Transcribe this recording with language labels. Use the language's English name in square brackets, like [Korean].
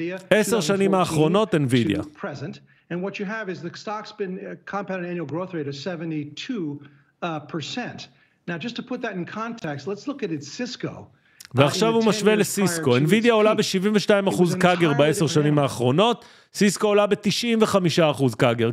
[Hebrew] 10 שנים האחרונות NVIDIA. [English] And what you have is the stock's been compounded annual growth rate of 72%. Now just to put that in context, let's look at it Cisco. [Hebrew] ועכשיו הוא משווה לסיסקו. NVIDIA עולה ב-72% קאגר ב-10 שנים האחרונות, סיסקו עולה ב-95% קאגר.